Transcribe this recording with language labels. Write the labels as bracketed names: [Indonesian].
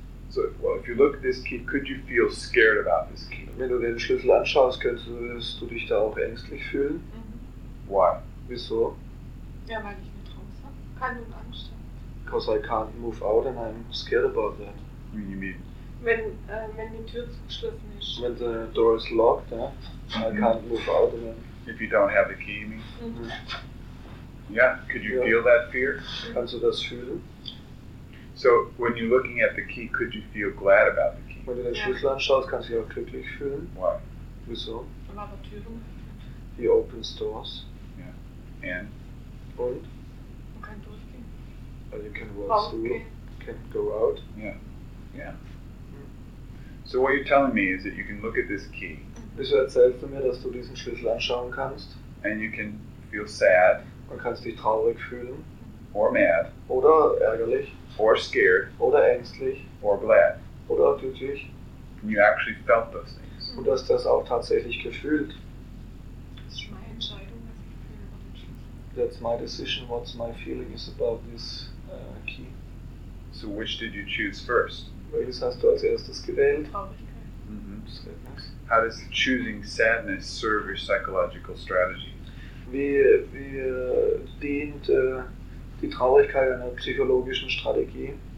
[English] So, well, if you look at this key, could you feel scared about this key? [German] Wenn du den Schlüssel anschaust, könntest du dich da auch ängstlich fühlen. [English] Mm-hmm. Why? [German] Wieso? Ja, weil ich nicht raus habe. Keine Angst habe. [English] Because I can't move out and I'm scared about that. What do you mean? [German] Wenn die Tür geschlossen ist. [English] When the door is locked, yeah? Mm-hmm. I can't move out and then... If you don't have the key, you mean? Mm-hmm. Yeah, could you feel that fear? [German] Mm-hmm. Kannst du das fühlen? [English] So when you're looking at the key, could you feel glad about the key? [German] Wenn du den Schlüssel anschaust, kannst du dich auch glücklich fühlen. [English] Why? [German] Wieso? Weil er Türen [English] öffnet. He opens doors. Yeah. And? [German] Und? Man kann durchgehen. [English] Well, you can walk through. Can go out. Yeah. Yeah. So what you're telling me is that you can look at this key. [German] Wieso erzählst du mir, dass du diesen Schlüssel anschauen kannst? [English] And you can feel sad. [German] Man kannst dich traurig fühlen. [English] Or mad. [German] Oder ärgerlich. [English] Or scared. [German] Oder ängstlich. [English] Or glad. [German] Oder glücklich. [English] You actually felt those things. [German] Und hast das auch tatsächlich gefühlt. Das ist meine Entscheidung, was ich fühle über den Schlüssel. [English] That's my decision, what my feeling is about this key. So which did you choose first? [German] Welches hast du als erstes gewählt? Traurigkeit. Mm-hmm. [English] How does choosing sadness serve your psychological strategy? [German] Wie dient die Traurigkeit einer psychologischen Strategie.